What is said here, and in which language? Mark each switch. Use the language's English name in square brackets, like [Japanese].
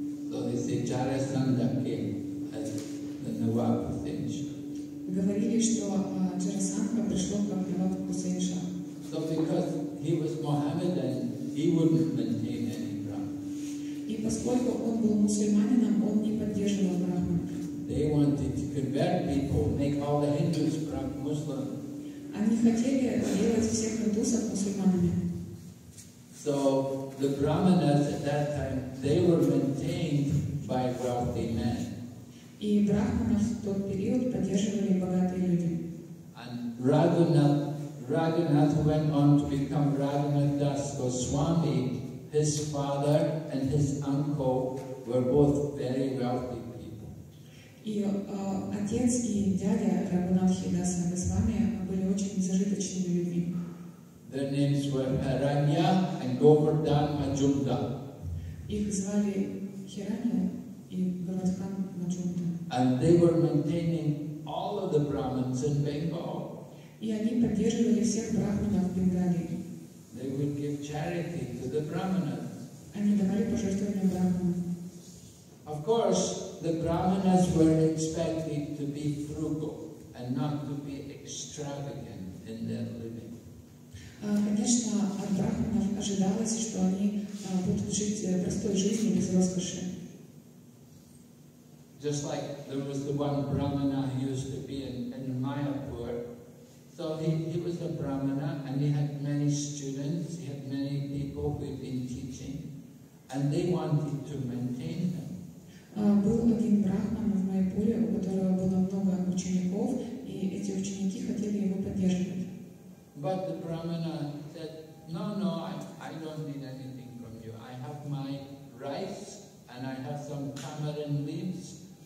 [English] So they say Jarasandha came as the Nawab Hussain Shah. [Russian] Говорили, что Джарасандха пришло как Наваб Хусейн Ша. [English] So because he was Mohammedan, he wouldn't maintain any Brahman. [Russian] И поскольку он был мусульманином, он не поддерживал Брахман. [English] They wanted to convert people, make all the Hindus Muslim. [Russian] Они хотели сделать всех индусов мусульманами. [English] So the Brahmanas at that time, they were maintained by wealthy men. [Russian] И брахманов в тот период поддерживали богатые люди. [English] And Raghunath went on to become Raghunath Das Goswami. His father and his uncle were both very wealthy people. [Russian] И отец и дядя Раганатхи Даса Госвами были очень зажиточными людьми. [English] Their names were Hiranya and Govardhan Majumda. [Russian] Их звали Хиранья и Говардхан Маджумда. [English] And they were maintaining all of the Brahmins in Bengal. [Russian] И они поддерживали всех брахманов в Бенгалии. [English] They would give charity to the Brahmanas. [Russian] Они давали пожертвования брахманам. [English] Of course, the Brahmanas were expected to be frugal and not to be extravagant in their living. [Russian] Конечно, от брахманов ожидалось, что они будут жить простой жизнью без роскоши. [English] Just like there was the one Brahmana who used to be in Mayapur. So he was a Brahmana and he had many students, he had many people who had been teaching, and they wanted to maintain him. [Russian] Был один Брахман в Майапуре, у которого было много учеников, и эти ученики хотели его поддерживать. [English] But the Brahmana said, No, I don't need anything from you. I have my rice and I have some tamarind leaves.